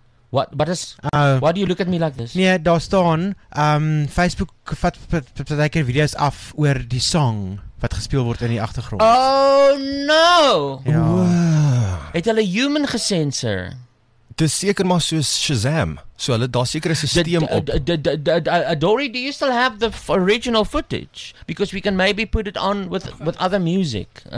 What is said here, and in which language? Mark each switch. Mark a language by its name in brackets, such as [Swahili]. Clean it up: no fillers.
[English] Why do you look at me like this? [Afrikaans] Nee, daar staan, Facebook vat per video's af oor die song wat gespeel word in die agtergrond. [English] Oh no! [Afrikaans] Ja. Wow. Het hulle human gesensor? Dit is seker maar soos Shazam. So hulle daar seker 'n systeem op. [English] Dory, do you still have the original footage? Because we can maybe put it on with other music.